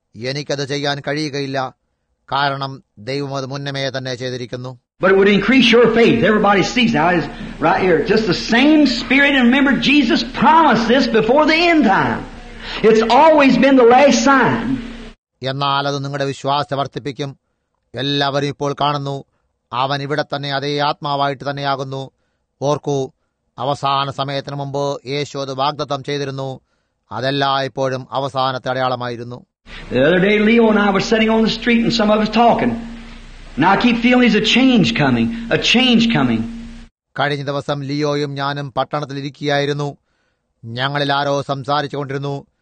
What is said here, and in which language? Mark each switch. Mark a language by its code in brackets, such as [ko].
[ml] എനിക്കത് ചെയ്യാൻ കഴിയുകയില്ല. കാരണം ദൈവം അത് മുന്നമേ തന്നെ ചെയ്തിരിക്കുന്നു. [en] But it would increase your faith. Everybody sees that. It's right here. Just the same spirit. And remember, Jesus promised this before the end time. It's always been the last sign. [ml] എന്നാൽ അത് നിങ്ങളുടെ വിശ്വാസത്തെ വർദ്ധിപ്പിക്കും. എല്ലാവരും ഇപ്പോൾ കാണുന്നു, അവൻ ഇവിടെ തന്നെ അതേ ആത്മാവായിട്ട് തന്നെയാകുന്നു. ഓർക്കൂ, അവസാന സമയത്തിന് മുമ്പ് യേശു അത് വാഗ്ദത്തം ചെയ്തിരുന്നു. അതെല്ലാം ഇപ്പോഴും അവസാനത്തെ അടയാളമായിരുന്നു. [en] The other day, Leo and I were sitting on the street and some of us talking. Now I keep feeling there's a change coming. [ml] കഴിഞ്ഞ ദിവസം ലിയോയും ഞാനും പട്ടണത്തിൽ ഇരിക്കുകയായിരുന്നു. ഞങ്ങളിൽ ആരോ സംസാരിച്ചു കൊണ്ടിരുന്നു.